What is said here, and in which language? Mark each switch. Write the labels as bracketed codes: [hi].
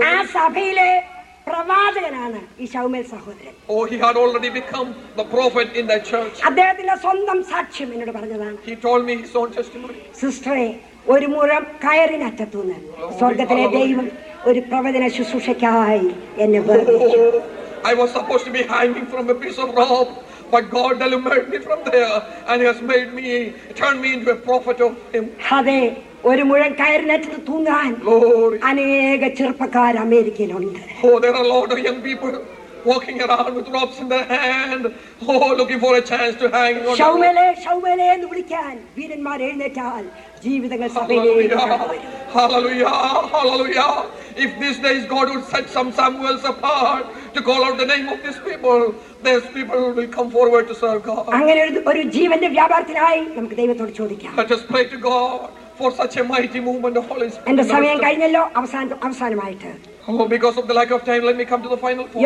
[ml] ആ സഭയിലെ പ്രവാചകനാണ് ഈ ശൗമേൽ സഹോദരൻ. [en] Oh, he had already become the prophet in that church. [ml] അദ്ദേഹത്തിന്റെ സ്വന്തം സാക്ഷ്യം എന്നോട് പറഞ്ഞതാണ്. [en] He told me his own testimony. [ml] സിസ്റ്ററെ, ഒരു മുറം കയറിനറ്റത്തുനിന്ന് സ്വർഗത്തിലെ ദൈവം ഒരു പ്രവചന ശുശ്രൂഷയ്ക്കായി എന്നെ വിളിച്ചു. [en] I was supposed to be hanging from a piece of rope, but God delivered me from there and has made me, turned me into a prophet of him. [ml] ഹദെ, ഒരു മുഴം കയറിനറ്റത്ത് തൂങ്ങാൻ അനേക ചെറുപ്പക്കാർ അമേരിക്കയിലുണ്ട്. [en] Oh, there are a lot of young people walking around with ropes in their hand, oh, looking for a chance to hang on. [ml] ശൗമേലെ ശൗമേലെ എന്ന് വിളിക്കാൻ വീരന്മാർ എഴുന്നേറ്റാൽ ജീവിതങ്ങൾ hallelujah hallelujah. [en] If this day God would set some Samuels apart, to call out the name of these people. These people will come forward to serve God. [ml] അങ്ങനെ ഒരു ജീവന്റെ വ്യാപാരത്തിനായി നമുക്ക് ദൈവത്തോട് ചോദിക്കാം. [en] Let us pray to God for such a mighty movement of Holy Spirit. [ml] എന്റെ സമയം കഴിഞ്ഞല്ലോ അവസാനമായിട്ട്. [en] Oh, because of the lack of time, let me come to the final point.